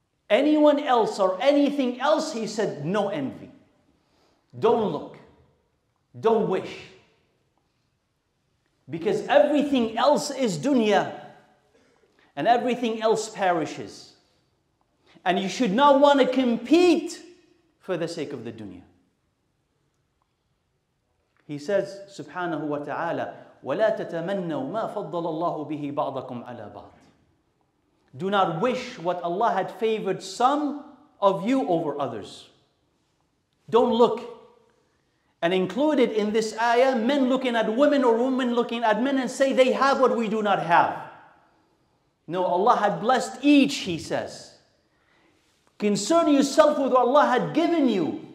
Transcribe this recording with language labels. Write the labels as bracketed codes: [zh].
[en] Anyone else or anything else, he said, no envy. Don't look. Don't wish. Because everything else is dunya, and everything else perishes. And you should not want to compete for the sake of the dunya. He says, [ar] subhanahu wa ta'ala, وَلَا تَتَمَنَّوْ مَا فَضَّلَ اللَّهُ بِهِ بَعْضَكُمْ عَلَى بَعْضٍ. [en] Do not wish what Allah had favored some of you over others. Don't look. And included in this ayah, men looking at women or women looking at men and say, they have what we do not have. No, Allah had blessed each, he says. Concern yourself with what Allah had given you.